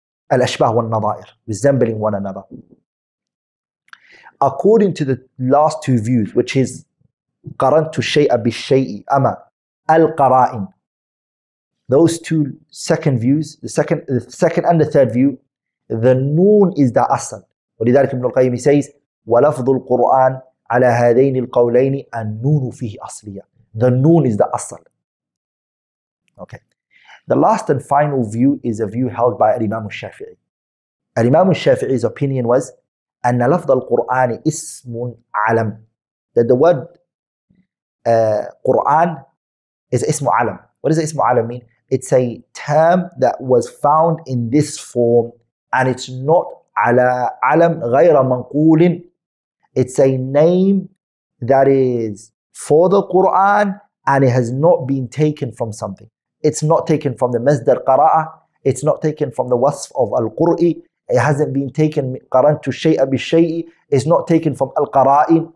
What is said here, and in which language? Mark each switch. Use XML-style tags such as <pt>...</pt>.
<en>Al-ashbah wal-nadair, resembling one another. According to the last two views, which is</en> <ar>قَرَنْتُ الشَّيْءَ بِالشَّيْءِ أَمَا</ar> <en>al-qara'in. Those two second views, the second and the third view, the noon is the asal.</en> <ar>ولذلك ابن القيم</ar> <en>says</en> <ar>ولفظ القرآن على هذين القولين النون فيه أصلية.</ar> <en>The noon is the asal. Okay. The last and final view is a view held by Imam Shafi'i. Imam Shafi'i's opinion was</en> <ar>أن لفظ القرآن اسم علم.</ar> <en>That the word قرآن is اسم علم. What does اسم علم mean? It's a term that was found in this form. And it's not</en> <ar>على علم غير منقول.</ar> <en>It's a name that is for the Quran and it has not been taken from something. It's not taken from the مصدر قراءة. It's not taken from the wasf of القرآن. It hasn't been taken</en> <ar>قرنت الشيء بالشيء.</ar> <en>It's not taken from القرائن.</en>